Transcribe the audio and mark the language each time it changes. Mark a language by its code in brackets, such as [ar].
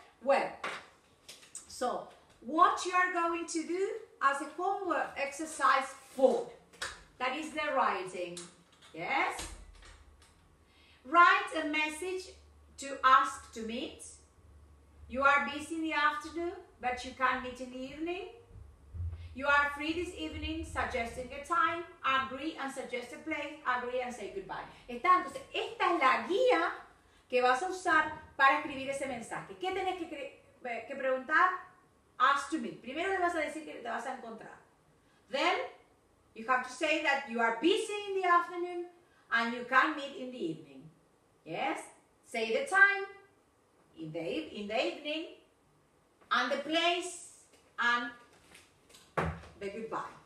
[en] Well, so what you are going to do as a homework exercise 4, that is the writing, yes? Write a message to ask to meet. You are busy in the afternoon, but you can meet in the evening. You are free this evening, suggesting a time. Agree and suggest a place. Agree and say goodbye. [es] Entonces, esta es la guía que vas a usar para escribir ese mensaje. ¿Qué tenés que preguntar? [en] Ask to meet. [es] Primero le vas a decir que te vas a encontrar. [en] Then, you have to say that you are busy in the afternoon and you can meet in the evening. Yes? Say the time in the evening and the place and the goodbye.